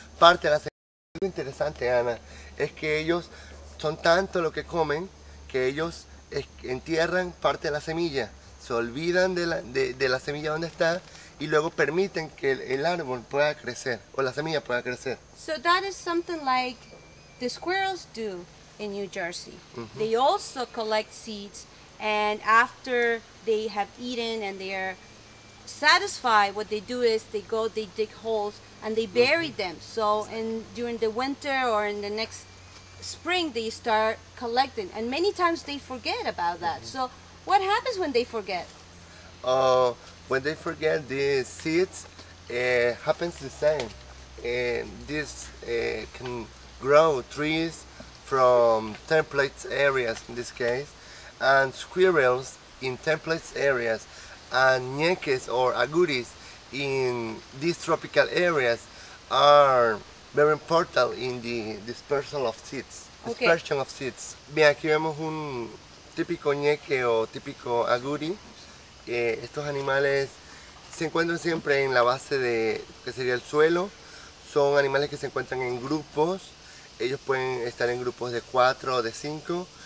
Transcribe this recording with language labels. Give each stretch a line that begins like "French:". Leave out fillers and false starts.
Spanish: Parte de la semilla, lo interesante, Ana, es que ellos son tanto lo que comen que ellos entierran parte de la semilla, se olvidan de la semilla donde está y luego permiten que el árbol pueda crecer o la semilla pueda crecer.
English: So that is something like the squirrels do in New Jersey. They also collect seeds, and after they have eaten and they are satisfied, what they do is they go, they dig holes and they bury them. So in during the winter or in the next spring they start collecting, and many times they forget about that. So what happens when they forget? When they forget the seeds, happens the same. This can grow trees from temperate areas in this case, and squirrels in temperate areas, and ñeques or agoutis in these tropical areas are very important in the dispersal of seeds. Dispersion of seeds.
Spanish: Bien, aquí vemos un típico ñeque o típico agouti. Estos animales se encuentran siempre en la base de que sería el suelo. Son animales que se encuentran en grupos. Ellos pueden estar en grupos de 4 o de 5.